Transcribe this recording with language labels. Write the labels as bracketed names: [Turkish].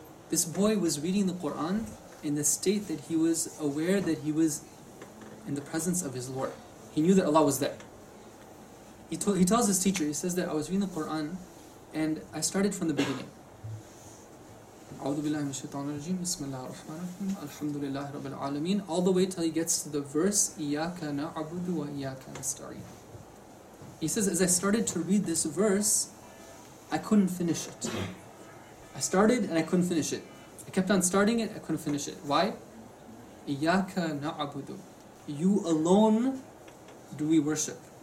[English] This boy was reading the Quran in the state that he was aware that he was in the presence of his Lord. He knew that Allah was there. He tells his teacher, he says that, I was reading the Quran and I started from the beginning. [Arabic] أعوذ بالله من الشيطان الرجيم بسم الله الرحمن الرحيم الحمد لله رب العالمين [English] all the way till he gets to the verse [Arabic] إياك نعبد وإياك نستعين. [English] He says, as I started to read this verse, I couldn't finish it. I started and I couldn't finish it. I kept on starting it, I couldn't finish it. Why? [Arabic] إياك نعبد. [English] You alone do we worship.